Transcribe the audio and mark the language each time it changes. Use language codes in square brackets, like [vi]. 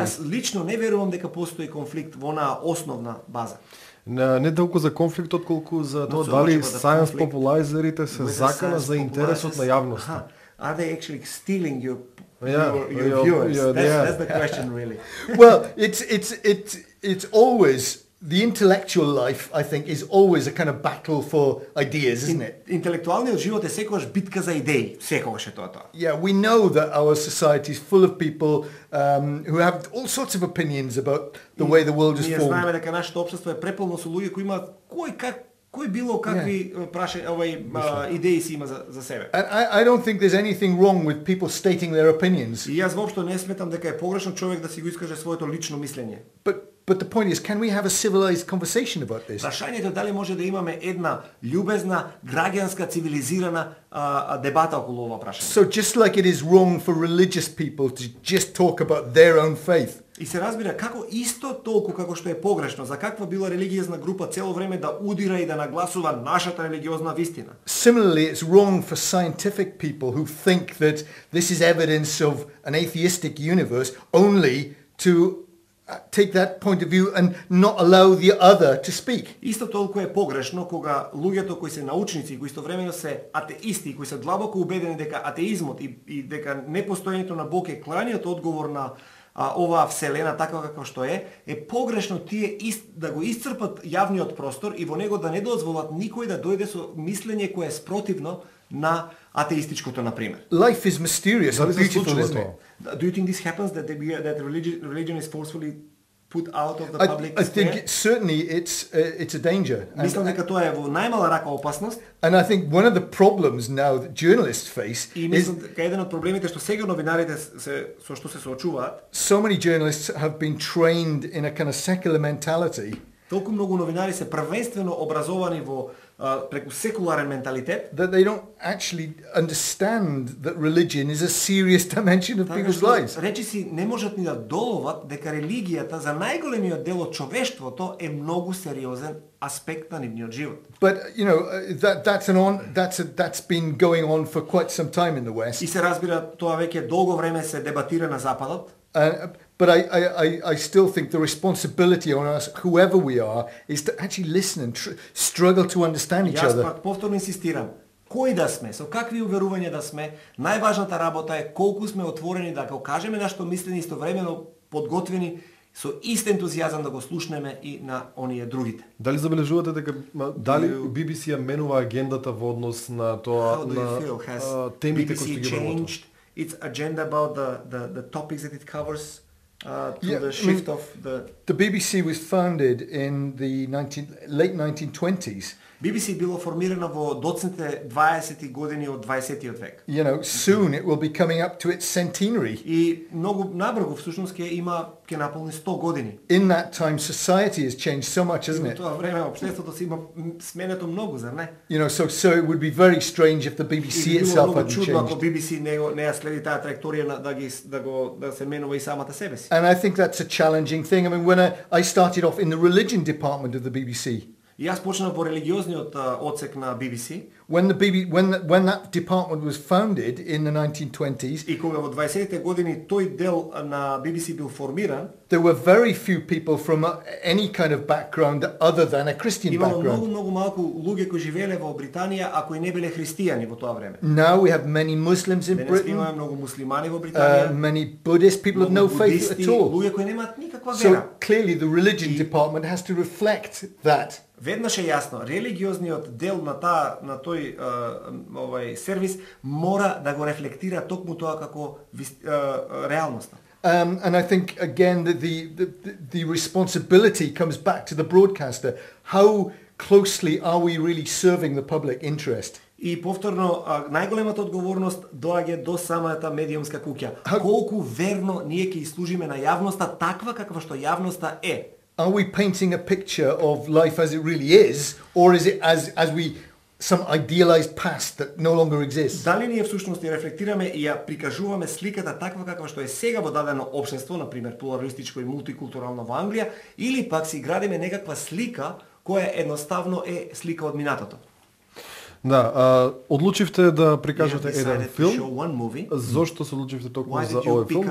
[mk] Јас лично не верувам дека постои конфликт во онаа основна база. Не толку за конфликтот колку за тоа дали science popularizerите се закана за интересот на јавноста. [en] Are they actually stealing your viewers? That's the question really. Well, it's always the intellectual life, I think, is always a kind of battle for ideas, isn't it? [mk] Интелектуалниот живот е секогаш битка за идеи, секогаш е тоа. [en] Yeah, we know that our society is full of people who have all sorts of opinions about the way the world is formed. [mk] Ние знаеме дека нашето општество е преполно со луѓе кои имаат кој било какви идеи си има за себе. [en] I don't think there's anything wrong with people stating their opinions. [mk] Јас воопшто не сметам дека е погрешно човек да си го искаже своето лично мислење. [en] But the point is, can we have a civilized conversation about this? [mk] Прашањето е дали може да имаме една љубезна, граѓанска, цивилизирана дебата околу ова прашање. [en] So just like it is wrong for religious people to just talk about their own faith. [mk] И се разбира, како исто толку како што е погрешно за каква била религиозна група цело време да удира и да нагласува нашата религиозна вистина. [en] Similarly, it's wrong for scientific people who think that this is evidence of an atheistic universe only to take that point of view and not allow the other to speak. [mk] Исто толку е погрешно кога луѓето кои се научници и кои истовремено се атеисти, кои се длабоко убедени дека атеизмот и дека непостоењето на Бог е крајниот одговор на оваа вселена таква како што е погрешно тие да го исцрпат јавниот простор и во него да не дозволат никој да дојде со мислење кое е спротивно на атеистичкото, на пример. [en] Life is mysterious. Beautiful, isn't it? Do you think this happens that religion is forcefully put out of the public sphere? I think certainly it's a danger. [mk] Мислам дека тоа е во најмала рака опасност. [en] And I think one of the problems now that journalists face is [mk] еден од проблемите што сега новинарите се со што се соочуваат. [en] So many journalists have been trained in a kind of secular mentality. [mk] Толку многу новинари се првенствено образовани во преку секуларен менталитет. [en] That they don't actually understand that religion is a serious dimension of people's lives. [mk] Речиси не можат ни да доловат дека религијата за најголемиот дел од човештвото е многу сериозен аспект на нивниот живот. [en] But you know that's been going on for quite some time in the West. [mk] И се разбира тоа веќе долго време се дебатира на Западот. [en] But I still think the responsibility on us, whoever we are, is to actually listen and struggle to understand each other. [mk] Јас пак повторно инсистирам. Кој да сме, со какви уверувања да сме, најважната работа е колку сме отворени да го кажеме нашето мислење истовремено подготвени со ист ентузијазам да го слушнеме и на оние другите. Дали забележувате дека дали BBC ја менува агендата во однос на тоа на темите кои ги [en] changed its agenda about the topics that it covers? The BBC was founded in the late 1920s. [mk] BBC било формирано во доцните 20-ти години од 20-тиот век. [en] You know, soon it will be coming up to its centenary. [mk] И многу набргу всушност ќе наполни 100 години. [en] In that time society has changed so much, hasn't it? [mk] Тоа време општеството се има сменето многу, зар не? [en] You know, so it would be very strange if the BBC itself hadn't changed. [mk] Многу чудно ако BBC не ја следи таа траекторија да се менува и самата себе си. [en] And I think that's a challenging thing. I mean, when I started off in the religion department of the BBC, [mk] јас почнав во религиозниот одсек на BBC. [en] When that department was founded in the 1920s, [mk] и кога во 20-тите години тој дел на BBC бил формиран, [en] there were very few people from any kind of background other than a Christian [mk] имало [en] background. [mk] Имало многу, многу малку луѓе кои живееле во Британија, а кои не биле христијани во тоа време. [en] Now we have many Muslims in Britain. [mk] Денес имаме многу муслимани во Британија. [en] Many Buddhist people have no faith at all. [mk] Луѓе кои немаат никаква вера. [en] So clearly the religion department has to reflect that. [mk] Веднаш е јасно, религиозниот дел на таа на тој овој сервис мора да го рефлектира токму тоа како реалноста. [en] And I think again that the responsibility comes back to the broadcaster. How closely are we really serving the public interest? [mk] И повторно најголемата одговорност доаѓа до самата медиумска куќа. Колку верно ние ќе служиме на јавноста таква каква што јавноста е? [en] Are we painting a picture of life as it really is, or is it as we some idealized past that no longer exists? [mk] Дали ние всушност ја рефлектираме и ја прикажуваме сликата таква каква што е сега во дадено општество, на пример плуралистичко и мултикултурално во Англија, или пак си градиме некаква слика која едноставно е слика од минатото? Да, одлучивте да прикажете еден филм. Зошто се одлучивте толку за овој филм?